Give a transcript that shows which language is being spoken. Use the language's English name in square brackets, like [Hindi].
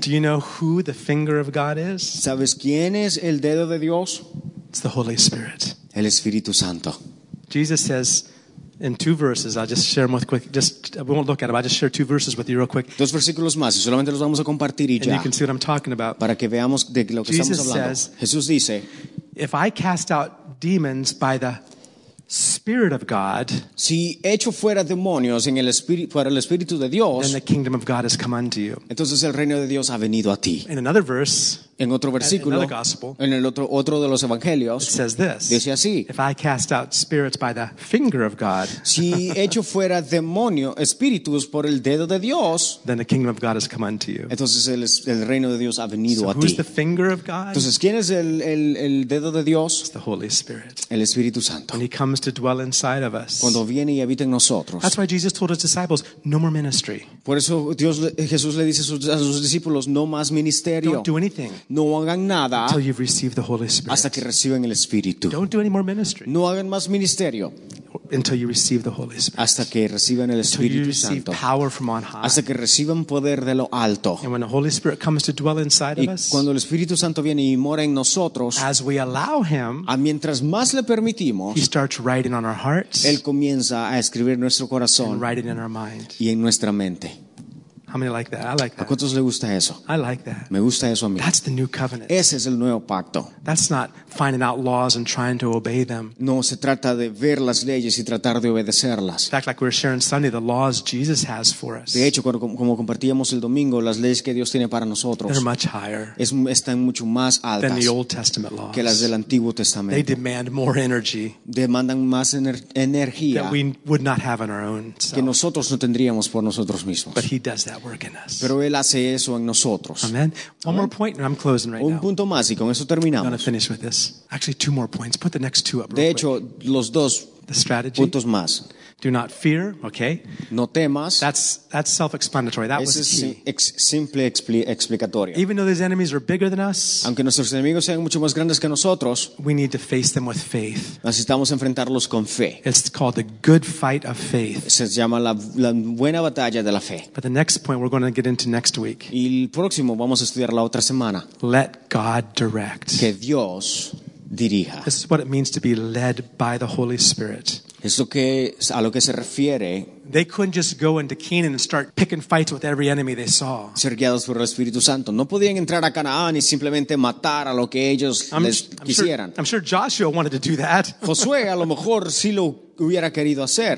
[English] Do you know who the finger of God is? [Spanish] ¿Sabes quién es el dedo de Dios? [English] It's the Holy Spirit. [Spanish] El Espíritu Santo. [English] Jesus says in two verses, I'll just share them with quick. We won't look at them. I'll just share two verses with you real quick. [Spanish] Dos versículos más. Solamente los vamos a compartir y ya. [English] And you can see what I'm talking about. [Spanish] Para que veamos de lo que [English] Jesus [Spanish] estamos hablando. [English] Says, [Spanish] Jesús dice, [English] if I cast out demons by the Spirit of God, [Spanish] si echo fuera demonios en el espíritu, fuera el Espíritu de Dios, [English] then the kingdom of God has come unto you. [Spanish] Entonces el reino de Dios ha venido a ti. [English] In another verse, [Spanish] en otro versículo, [English] another gospel, [Spanish] en el otro de los evangelios, [English] it says this, [Spanish] dice así, [English] if I cast out spirits by the finger of God, [Spanish] si echo fuera demonio, espíritus por el dedo de Dios, [English] then the kingdom of God has come unto you. [Spanish] Entonces el reino de Dios ha venido [English] so [Spanish] a [English] who's [Spanish] ti. [English] The finger of God? [Spanish] Entonces, ¿quién es el dedo de Dios? [English] It's the Holy Spirit. [Spanish] El Espíritu Santo. [English] When he comes to dwell inside of us. [Spanish] Cuando viene y habita en nosotros. [English] That's why Jesus told his disciples, no more ministry. [Spanish] Por eso Jesús le dice a sus discípulos, no más ministerio. [English] Don't do anything. [Spanish] No hagan nada [English] until you've received the Holy Spirit. [Spanish] Hasta que reciban el Espíritu. [English] Don't do any more ministry. [Spanish] No hagan más ministerio. [English] Until you receive the Holy Spirit. [Spanish] Hasta que reciban el Espíritu [English] Santo. Until you receive power from on high. [Spanish] Hasta que reciban poder de lo alto. [English] And when the Holy Spirit comes to dwell inside [Spanish] y [English] of us. [Spanish] Cuando el Espíritu Santo viene y mora en nosotros. [English] As we allow him. [Spanish] A mientras más le permitimos. [English] He starts writing on our hearts. [Spanish] Él comienza a escribir nuestro corazón. [English] And writing in our mind. [Spanish] Y en nuestra mente. [English] How many like that? I like that. [Spanish] ¿A cuántos le gusta eso? [English] I like that. [Spanish] Me gusta eso a mí. [English] That's the new covenant. [Spanish] Ese es el nuevo pacto. [English] That's not finding out laws and trying to obey them. [Spanish] No se trata de ver las leyes y tratar de obedecerlas. [English] In fact, like we were sharing Sunday, the laws Jesus has for us. [Spanish] De hecho, como compartíamos el domingo, las leyes que Dios tiene para nosotros. [English] They're much higher. [Spanish] Están mucho más altas. [English] Than the Old Testament laws. [Spanish] Que las del Antiguo Testamento. [English] They demand more energy. [Spanish] Demandan más energía. [English] That we would not have on our own. [Spanish] Que nosotros no tendríamos por nosotros mismos. [English] But He does that work in us. [Spanish] Pero Él hace eso en nosotros. [English] Amen. One more point and I'm closing right now. [Spanish] Un punto más y con eso terminamos. [English] I'm going to finish with this. Actually, two more points. Put the next two up real [Spanish] De hecho, [English] quick. [Spanish] Los dos [English] the strategy. [Spanish] Puntos más. [English] Do not fear, okay? [Spanish] No temas. [English] That's self-explanatory. That was the key. [Spanish] Simple explicatoria. [English] Even though these enemies are bigger than us, [Spanish] aunque nuestros enemigos sean mucho más grandes que nosotros, [English] we need to face them with faith. [Spanish] Necesitamos enfrentarlos con fe. [English] It's called the good fight of faith. [Spanish] Se llama la buena batalla de la fe. [English] But the next point we're going to get into next week. [Spanish] Y el próximo vamos a estudiar la otra semana. [English] Let God direct. [Spanish] Que Dios dirija. [English] This is what it means to be led by the Holy Spirit. [Spanish] Eso que es a lo que se refiere. [English] They couldn't just go into Canaan and start picking fights with every enemy they saw. [Spanish] Ser guiados por el Espíritu Santo. No podían entrar a Canaán y simplemente matar a lo que ellos quisieran. [English] I'm sure Joshua wanted to do that. [Spanish] Josué a lo mejor sí lo hubiera querido hacer.